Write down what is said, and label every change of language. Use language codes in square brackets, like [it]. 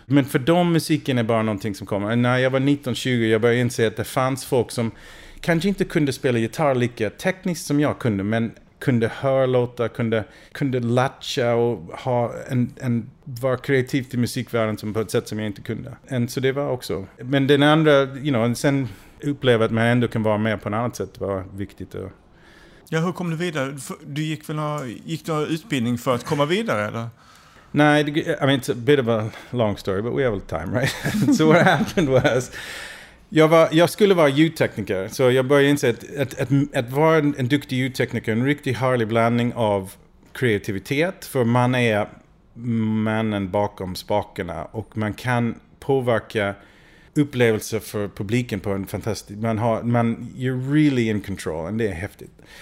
[sv] Men för dem musiken är bara någonting som kommer. Och när jag var 19-20 jag började inse att det fanns folk som kanske inte kunde spela gitarr lika tekniskt som jag kunde, men kunde höra låta, kunde latcha och ha en var kreativ i musikvärlden som på ett sätt som jag inte kunde. And så det var också. Men den andra, [en] you know, [sv] sen upplevde att man ändå kan vara med på ett annat sätt var viktigt. Och ja, hur kom du vidare? Du gick väl gick du utbildning för att komma vidare eller? [en] Nej, I mean it's a bit of a long story, but we have a time, right? So what happened was [sv] Jag skulle vara ljudtekniker, så jag började inse att vara en duktig ljudtekniker, en riktig härlig blandning av kreativitet, för man är mannen bakom spakarna och man kan påverka upplevelser för publiken på en fantastisk, man [en] you're really in control, [sv] och det är häftigt.